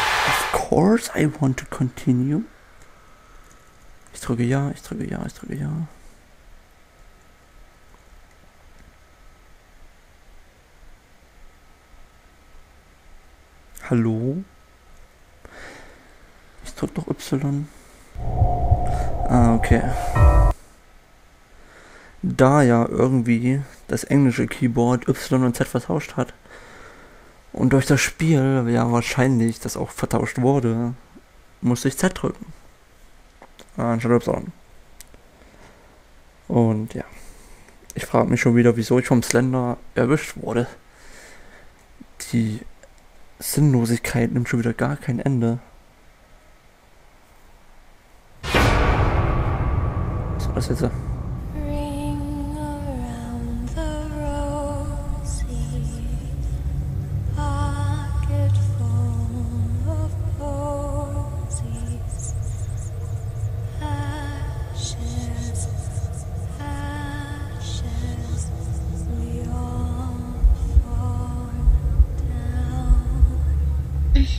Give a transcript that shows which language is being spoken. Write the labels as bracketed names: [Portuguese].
[English] Of course I want to continue. [German] Ich drücke ja, ich drücke ja, ich drücke ja. Hallo? Ich drück doch Y. Ah, okay. Da ja irgendwie das englische Keyboard Y und Z vertauscht hat und durch das Spiel ja wahrscheinlich das auch vertauscht wurde, musste ich Z drücken. Anstatt Y. Und ja. Ich frage mich schon wieder, wieso ich vom Slender erwischt wurde. Die Sinnlosigkeit nimmt schon wieder gar kein Ende. Was jetzt? [English] Ring around the rosy pocket full of posies, ashes, ashes, we all fall down.